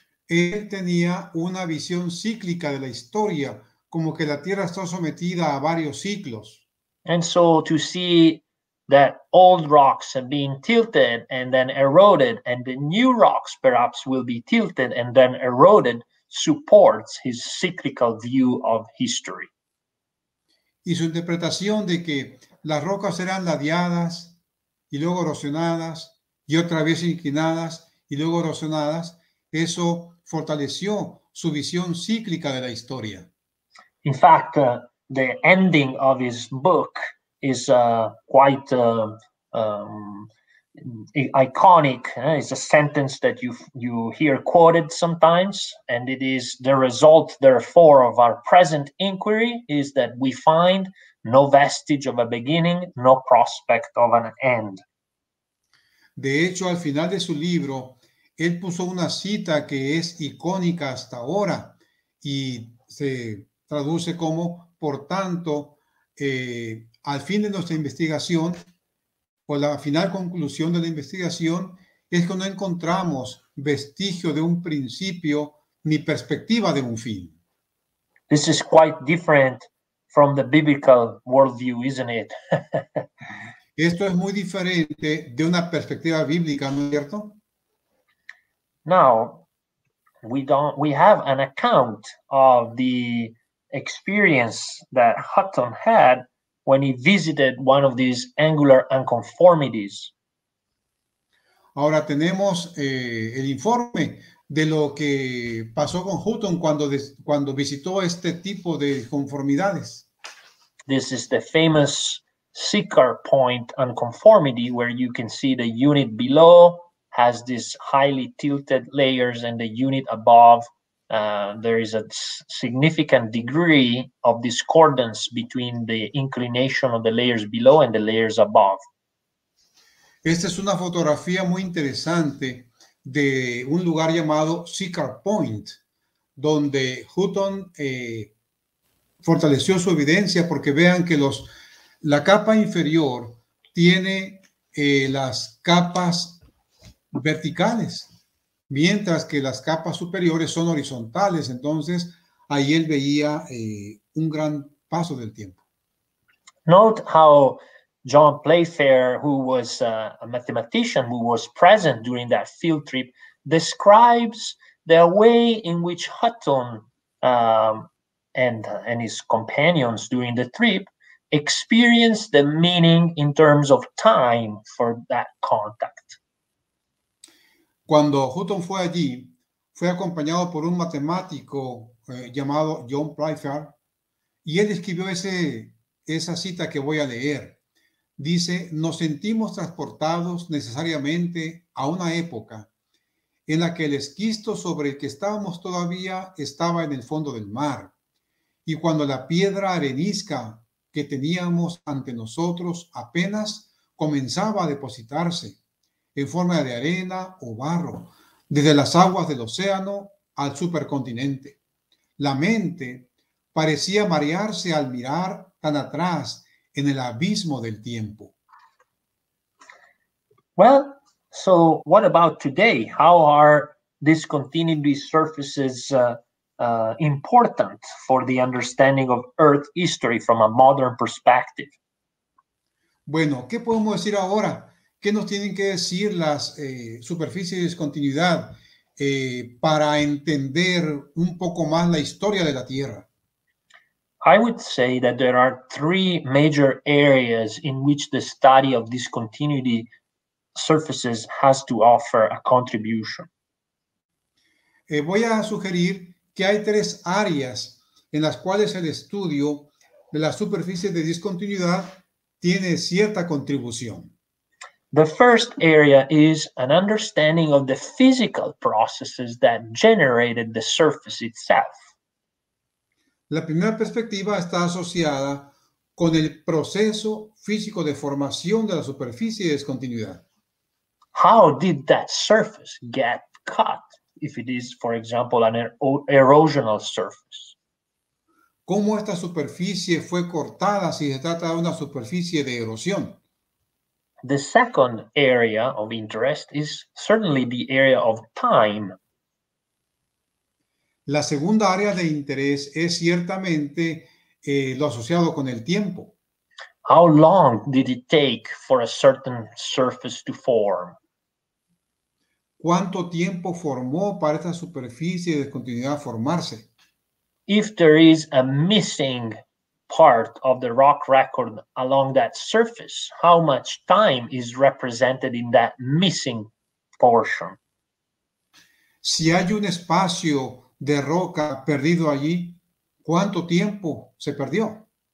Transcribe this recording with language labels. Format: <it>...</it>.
<es>Él tenía una visión cíclica de la historia, como que la Tierra está sometida a varios ciclos.</es> <en>And so to see that old rocks are being tilted and then eroded, and the new rocks perhaps will be tilted and then eroded, supports his cyclical view of history.</en> <es>Y su interpretación de que las rocas serán ladeadas y luego erosionadas y otra vez inclinadas y luego erosionadas, eso fortaleció su visión cíclica de la historia.</es> <en>In fact, the ending of his book is iconic. It's a sentence that you hear quoted sometimes, and it is the result, therefore, of our present inquiry is that we find no vestige of a beginning, no prospect of an end.</en> <es>De hecho, al final de su libro, él puso una cita que es icónica hasta ahora, y se traduce como, por tanto, al fin de nuestra investigación, o la final conclusión de la investigación, es que no encontramos vestigio de un principio ni perspectiva de un fin.</es> <en>This is quite different from the biblical worldview, isn't it?</en> <es>Esto es muy diferente de una perspectiva bíblica, ¿no es cierto?</es> <en>Now, we have an account of the experience that Hutton had when he visited one of these angular unconformities.</en> <es>Ahora tenemos el informe de lo que pasó con Hutton cuando visitó este tipo de conformidades.</es> <en>This is the famous Sikar point unconformity, where you can see the unit below has these highly tilted layers, and the unit above, there is a significant degree of discordance between the inclination of the layers below and the layers above.</en> <es>Esta es una fotografía muy interesante de un lugar llamado Sikar Point, donde Hutton fortaleció su evidencia, porque vean que la capa inferior tiene las capas verticales, mientras que las capas superiores son horizontales. Entonces, ahí él veía un gran paso del tiempo.</es> <en>Note how John Playfair, who was a mathematician who was present during that field trip, describes the way in which Hutton and his companions during the trip experienced the meaning in terms of time for that contact.</en> <es>Cuando Hutton fue allí, fue acompañado por un matemático llamado John Playfair, y él escribió esa cita que voy a leer. Dice: nos sentimos transportados necesariamente a una época en la que el esquisto sobre el que estábamos todavía estaba en el fondo del mar, y cuando la piedra arenisca que teníamos ante nosotros apenas comenzaba a depositarse en forma de arena o barro desde las aguas del océano al supercontinente. La mente parecía marearse al mirar tan atrás en el abismo del tiempo.</es> <en>Well, so what about today? How are discontinuity surfaces important for the understanding of Earth history from a modern perspective?</en> <es>Bueno, ¿qué podemos decir ahora? ¿Qué nos tienen que decir las superficies de discontinuidad para entender un poco más la historia de la Tierra?</es> <en>I would say that there are three major areas in which the study of discontinuity surfaces has to offer a contribution.</en> <es>Voy a sugerir que hay tres áreas en las cuales el estudio de las superficies de discontinuidad tiene cierta contribución.</es> <en>The first area is an understanding of the physical processes that generated the surface itself.</en> <es>La primera perspectiva está asociada con el proceso físico de formación de la superficie de discontinuidad.</es> <en>How did that surface get cut, if it is, for example, an erosional surface?</en> <es>¿Cómo esta superficie fue cortada si se trata de una superficie de erosión?</es> <en>The second area of interest is certainly the area of time.</en> <es>La segunda área de interés es ciertamente lo asociado con el tiempo.</es> <en>How long did it take for a certain surface to form?</en> <es>¿Cuánto tiempo formó para esta superficie de discontinuidad formarse?</es> <en>If there is a missing part of the rock record along that surface, how much time is represented in that missing portion?</en> <es>Si hay un espacio de roca perdido allí, ¿cuánto tiempo se perdió?</es>